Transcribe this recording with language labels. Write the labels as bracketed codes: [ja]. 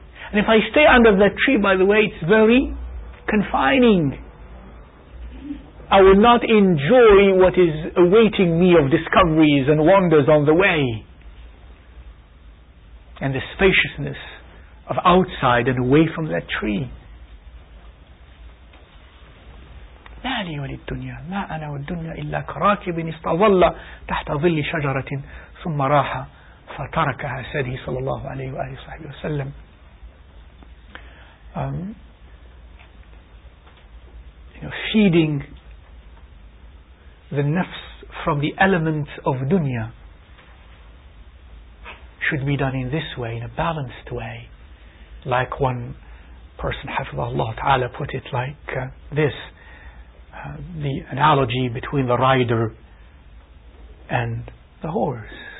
[en] And if I stay under that tree, by the way, it's very confining. I will not enjoy what is awaiting me of discoveries and wonders on the way, and the spaciousness of outside and away from that tree. [ar] لا لي وللدنيا ما أنا والدنيا إلا كراكب استظل تحت ظل شجرة ثم راح فتركها سيده صلى الله عليه وآله وصحبه وسلم. [en] Feeding the nafs from the element of dunya should be done in this way, in a balanced way, like one person, hafizahullah ta'ala, put it like this, the analogy between the rider and the horse.